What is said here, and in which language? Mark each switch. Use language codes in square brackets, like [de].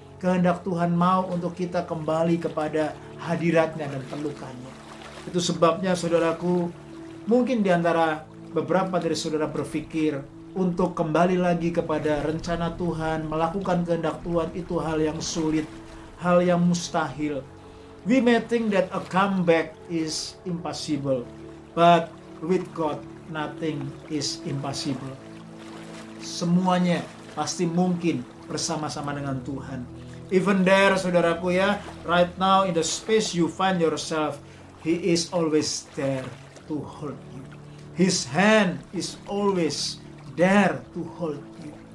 [id] Kehendak Tuhan mau untuk kita kembali kepada hadirat-Nya dan pelukan-Nya. Itu sebabnya, saudaraku, mungkin di antara beberapa dari saudara berpikir untuk kembali lagi kepada rencana Tuhan, melakukan kehendak Tuhan itu hal yang sulit, hal yang mustahil. [en] We may think that a comeback is impossible, but with God, nothing is impossible. [id] Semuanya pasti mungkin bersama-sama dengan Tuhan. [en] Even there, [id] saudaraku, ya, [en] right now in the space you find yourself, He is always there to hold you. His hand is always there to hold you.